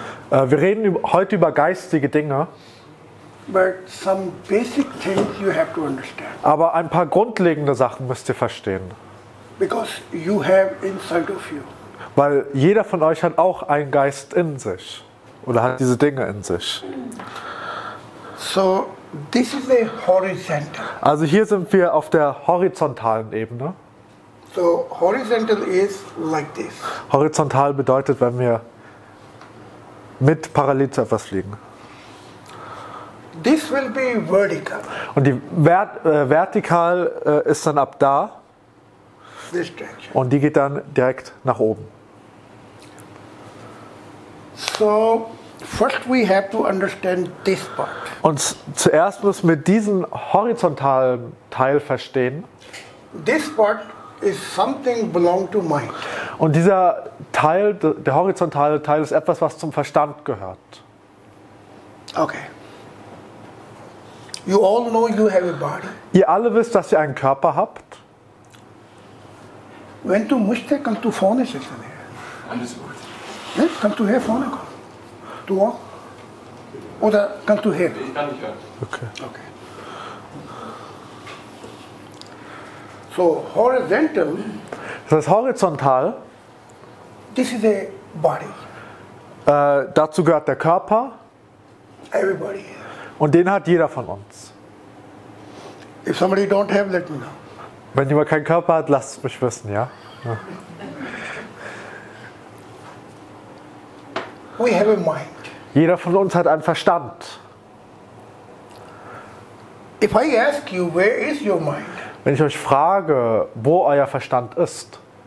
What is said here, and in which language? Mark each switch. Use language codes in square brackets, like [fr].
[de] Wir reden heute über geistige Dinge. [en] But some basic things you have to understand. [de] Aber ein paar grundlegende Sachen müsst ihr verstehen. [en] Because you have inside of you. [de] Weil jeder von euch hat auch einen Geist in sich oder hat diese Dinge in sich. [en] So, this is a horizontal. [de] Also hier sind wir auf der horizontalen Ebene. [en] So, horizontal is like this. [de] Horizontal bedeutet, wenn wir mit parallel zu etwas fliegen. [en] This will be vertical. [de] Und die vertikal ist dann ab da. [en] This direction. [de] Und die geht dann direkt nach oben. [en] So, first we have to understand this part. [de] Und zuerst müssen wir diesen horizontalen Teil verstehen. [en] This part is something belong to mind. [de] Und dieser Teil, der horizontale Teil, ist etwas, was zum Verstand gehört. Okay. [en] You all know you have a body. [de] Ihr alle wisst, dass ihr einen Körper habt. Wenn du musst, kannst du vorne sitzen. Alles gut. Ne? Kannst du hier vorne kommen? Du auch? Oder kannst du hier? Ich kann nicht hören. Okay. Okay. [en] So, horizontal. [de] Das heißt, horizontal. [en] This is a body. [de] Dazu gehört der Körper. [en] Everybody. [de] Und den hat jeder von uns. [en] If somebody don't have, let me know. [de] Wenn jemand keinen Körper hat, lasst es mich wissen, ja? [en] We have a mind. [de] Jeder von uns hat einen Verstand. [en] If I ask you, where is your mind? [de] Wenn ich euch frage, wo euer Verstand ist,